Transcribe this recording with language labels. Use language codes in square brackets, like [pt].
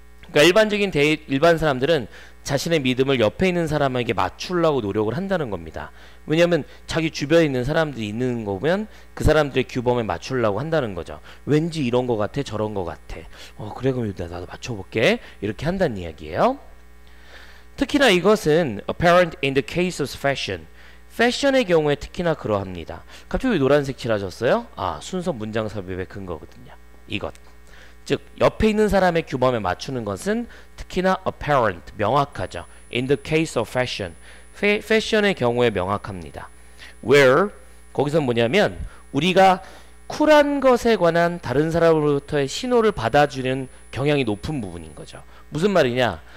[ko] 그러니까 일반적인 데이, 일반 사람들은 자신의 믿음을 옆에 있는 사람에게 맞추려고 노력을 한다는 겁니다. 왜냐하면 자기 주변에 있는 사람들이 있는 거 보면 그 사람들의 규범에 맞추려고 한다는 거죠. 왠지 이런 거 같아 저런 거 같아 그래 그럼 나도 맞춰볼게 이렇게 한다는 이야기예요. 특히나 이것은 [en] apparent in the case of fashion. [ko] 패션의 경우에 특히나 그러합니다. 갑자기 노란색 칠하셨어요? 아, 순서 문장 삽입의 근거거든요. 이것. 즉, 옆에 있는 사람의 규범에 맞추는 것은 특히나 apparent, 명확하죠. [en] In the case of fashion. [ko] 패션의 경우에 명확합니다. Where, 거기서 뭐냐면 우리가 쿨한 것에 관한 다른 사람으로부터의 신호를 받아주는 경향이 높은 부분인 거죠. 무슨 말이냐?